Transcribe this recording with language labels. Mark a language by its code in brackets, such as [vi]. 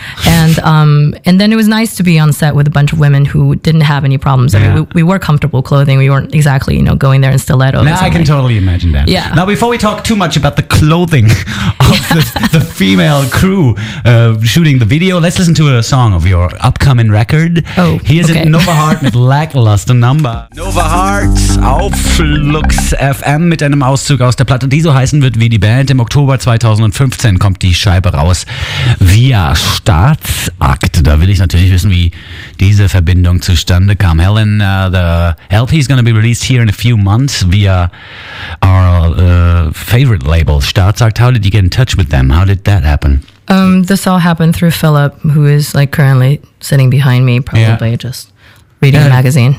[en] And then it was nice to be on set with a bunch of women who didn't have any problems. Yeah. I mean, we wore comfortable clothing. We weren't exactly, you know, going there in stilettos. Now I can totally imagine that. Yeah. Now, before we talk too much about the clothing of the female crew shooting the video, let's listen to a song of your upcoming record. Oh, here's it, Nova Heart [de] mit [en] Lackluster Number. [de] Nova Heart auf Flux FM mit einem Auszug aus der Platte, die so heißen wird wie die Band. Im Oktober 2015 kommt die Scheibe raus via Staatsakt. Da will ich natürlich wissen, wie diese Verbindung zustande kam. [en] Helen, the LP is going to be released here in a few months via our favorite label, Staatsakt. How did you get in touch with them? How did that happen? This all happened through Philip, who is, like, currently sitting behind me, probably just reading a magazine.